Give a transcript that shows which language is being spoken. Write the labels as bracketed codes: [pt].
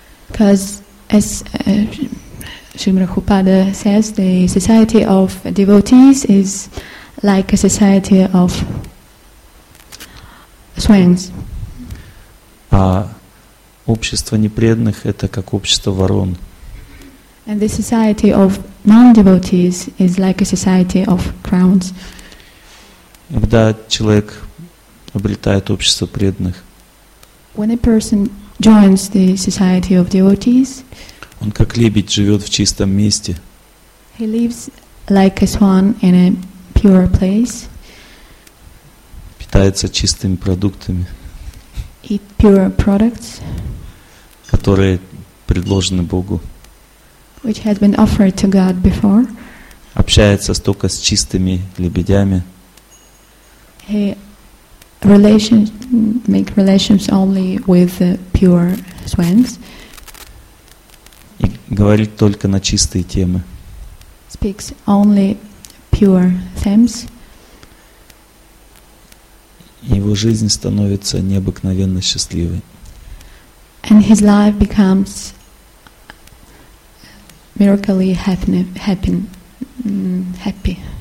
[en] Because as Шрила Прабхупада says, the society of devotees is like a society of swans. [ru] А общество непреданных — это как общество ворон. [en] And the society of non-devotees is like a society of crows. [ru] Когда человек обретает общество преданных, [en] when a person joins the society of devotees, [ru] он как лебедь живет в чистом месте. [en] He lives like a swan in a pure place. [ru] Питается чистыми продуктами. [en] Eat pure products, [ru] которые предложены Богу. [en] Which had been offered to God before. [ru] Общается только с чистыми лебедями. [en] He make relations only with the pure swans. [ru] И говорит только на чистые темы. [en] Speaks only pure themes. [ru] Его жизнь становится необыкновенно счастливой. [en] And his life becomes miraculously happy.